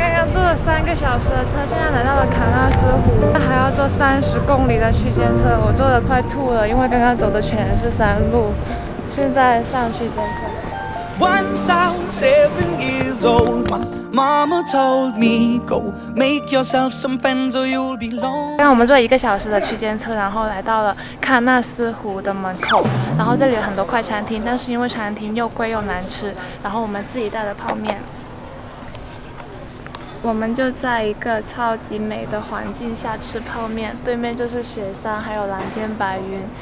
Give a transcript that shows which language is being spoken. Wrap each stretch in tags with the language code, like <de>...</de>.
<zh>3个小时的车，现在来到了卡纳斯湖，还要坐30公里的区间车，我坐得快吐了，因为刚刚走的全是山路。现在上区间车。</zh> <en>Once I was 7 years old, Mama told me go make yourself some friends or you'll be lonely.</en> <zh>刚刚我们坐1个小时的区间车，然后来到了卡纳斯湖的门口，然后这里有很多快餐厅，但是因为餐厅又贵又难吃，然后我们自己带了泡面。我们就在一个超级美的环境下吃泡面，对面就是雪山，还有蓝天白云。</zh>